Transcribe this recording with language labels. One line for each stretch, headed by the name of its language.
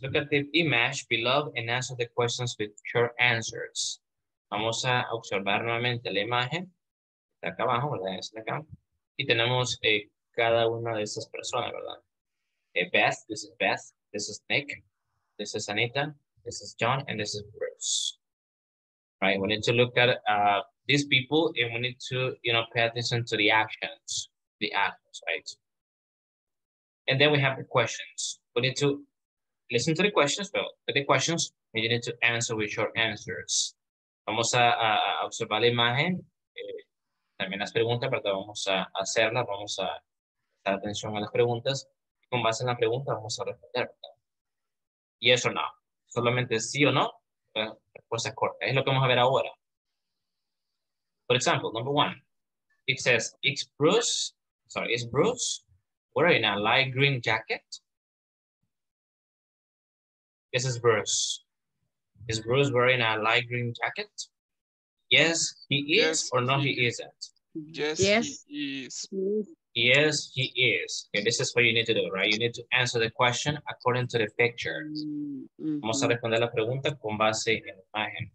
English: Look at the image below and answer the questions with short answers.
Spanish: Vamos a observar nuevamente la imagen. Está acá abajo, ¿verdad? Está acá. Y tenemos cada una de esas personas, ¿verdad?
English: Beth, this is Beth. This is Nick. This is Anita. This is John. And this is Bruce. Right, we need to look at these people, and we need to, you know, pay attention to the actions, right? And then we have the questions. We need to listen to the questions, well, but the questions, and you need to answer with short answers.
Spanish: Vamos a observar la imagen. También las preguntas, pero vamos a hacerlas, vamos a dar atención a las preguntas. con base en la pregunta vamos a responder.
English: Yes or no.
Spanish: Solamente sí o no. Respuesta corta. Es lo que vamos a ver ahora.
English: For example, number one. It says, is Bruce wearing a light green jacket? This is Bruce. Is Bruce wearing a light green jacket? Yes, he is, yes, or no, he isn't? Yes, he is. Yes, he is. Okay, this is what you need to do, right? You need to answer the question according to the picture. Mm-hmm.
Spanish: Vamos a responder la pregunta con base en la imagen.